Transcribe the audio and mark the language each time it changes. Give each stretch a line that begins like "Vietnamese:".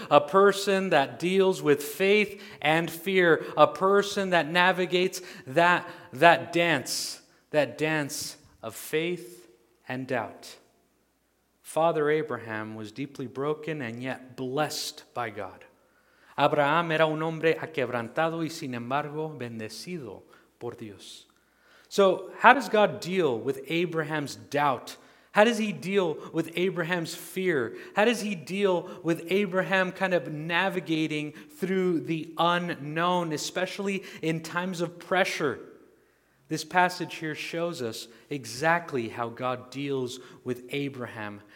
English: A person that deals with faith and fear. A person that navigates that dance of faith and doubt. Father Abraham was deeply broken and yet blessed by God.
Spanish: Abraham era un hombre aquebrantado y sin embargo bendecido por Dios.
English: So how does God deal with Abraham's doubt? How does he deal with Abraham's fear? How does he deal with Abraham kind of navigating through the unknown, especially in times of pressure? This passage here shows us exactly how God deals with Abraham.